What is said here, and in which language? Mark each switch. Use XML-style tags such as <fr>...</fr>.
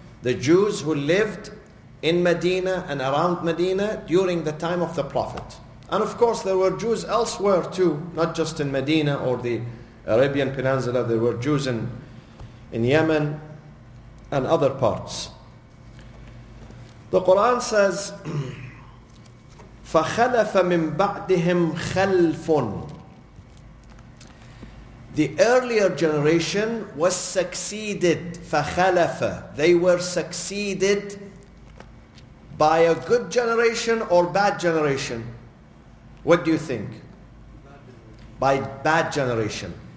<en>The Jews who lived in Medina and around Medina during the time of the Prophet. And of course there were Jews elsewhere too, not just in Medina or the Arabian Peninsula. There were Jews in Yemen and other parts. The Quran says,</en> <ar>فَخَلَفَ مِنْ بَعْدِهِمْ خَلْفٌ.</ar> <en>The earlier generation was succeeded.</en> <ar>فَخَلَفَ.</ar> <en>They were succeeded by a good generation or bad generation. What do you think? By bad generation.</en>